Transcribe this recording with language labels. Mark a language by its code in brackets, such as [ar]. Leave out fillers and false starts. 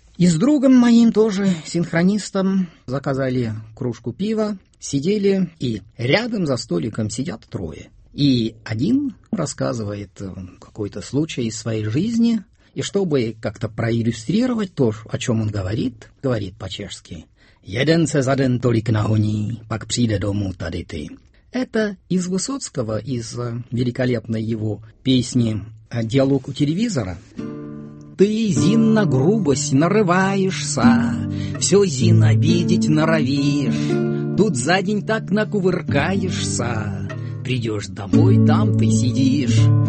[ru] И с другом моим тоже, синхронистом, заказали кружку пива, сидели, и рядом за столиком сидят трое. И один рассказывает какой-то случай из своей жизни, и чтобы как-то проиллюстрировать то, о чем он говорит, говорит по-чешски. [cs] «Jeden se za den tolik nahoní, pak přijde domů tady ty». [ru] Это из Высоцкого, из великолепной его песни «Диалог у телевизора». «Ты, Зина, грубость нарываешься, все, Зина, видеть норовишь. Тут за день так накувыркаешься, придешь домой, там ты сидишь».